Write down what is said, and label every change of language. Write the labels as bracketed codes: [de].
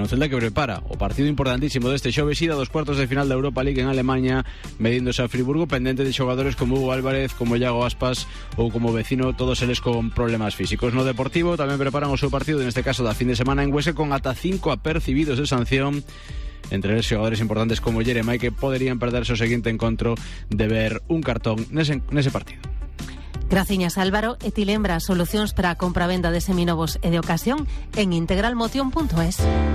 [gl] Un Celta que prepara o partido importantísimo deste xoves, ida dos cuartos de final da Europa League en Alemania, medíndose a Friburgo, pendente de xogadores como Hugo Álvarez, como Iago Aspas ou como Vecino, todos eles con problemas físicos. No Deportivo tamén preparan o seu partido, neste caso da fin de semana en Huesca, con ata 5 apercibidos de sanción. [es] Entre los jugadores importantes como Jeremy, que podrían perder su siguiente encuentro de ver un cartón en ese partido. [gl] Graciñas Álvaro, e ti lembra solucións para a compra-venda de seminovos e de ocasión en integralmotion.es.